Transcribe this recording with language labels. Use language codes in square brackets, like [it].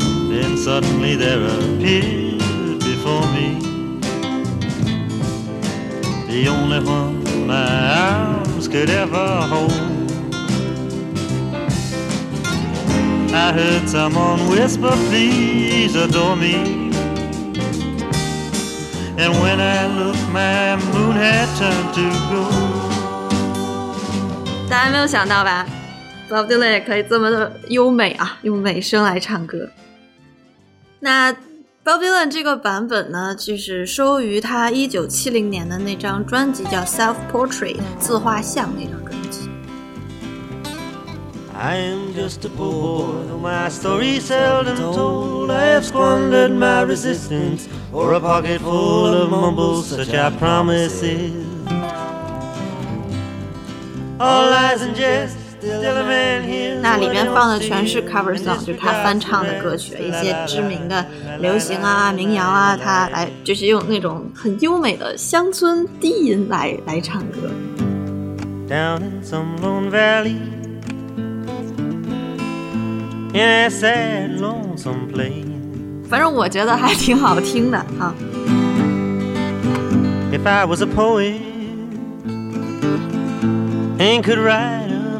[en] Then suddenly there appeared before me the only one my arms could ever hold. I heard someone whisper, please adore me. And when I looked, my moon had turned to gold. [zh] 大家没有想到吧？ Bob Dylan 也可以这么的优美啊，用美声来唱歌。那 Bob Dylan 这个版本呢，就是收于他1970年的那张专辑叫 Self Portrait 自画像那张专辑。 [en] I am just a poor boy, though my story seldom told. I have squandered my resistance for a pocket full of mumbles, such as promises. All lies and jest. [zh] 那里面放的全是 cover song， 就是他翻唱的歌曲，一些知名的流行啊、民谣啊，他来就是用那种很优美的乡村低音来唱歌。 [en] Down in some lone valley, in a sad lonesome place. [zh] 反正我觉得还挺好听的哈。 [en] If I was a poet and could write.